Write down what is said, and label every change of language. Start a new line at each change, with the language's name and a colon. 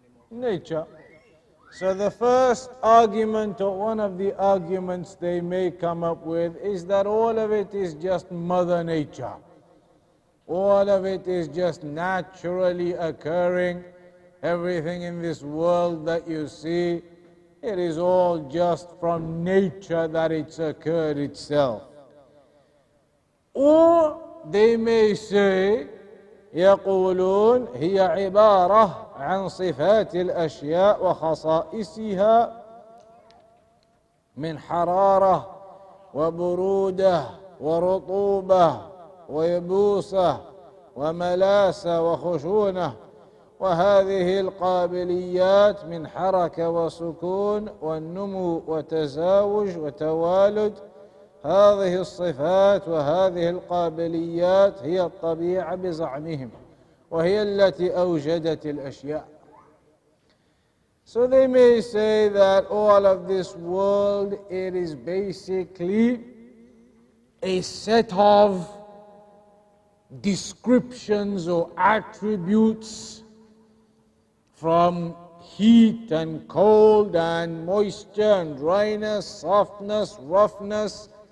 English: Nature. So the first argument, or one of the arguments they may come up with, is that all of it is just Mother Nature. All of it is just naturally occurring. Everything in this world that you see, it is all just from nature that it's occurred itself. Or they may say,
Arabic: يقولون هي عبارة عن صفات الأشياء وخصائصها من حرارة وبرودة ورطوبة ويبوسة وملاسة وخشونة وهذه القابليات من حركة وسكون والنمو وتزاوج وتوالد هذه الصفات وهذه القابليات هي الطبيعة بزعمهم وهي التي أوجدت الأشياء.
English: So they may say that all of this world, it is basically a set of descriptions or attributes from heat and cold and moisture and dryness, softness, roughness.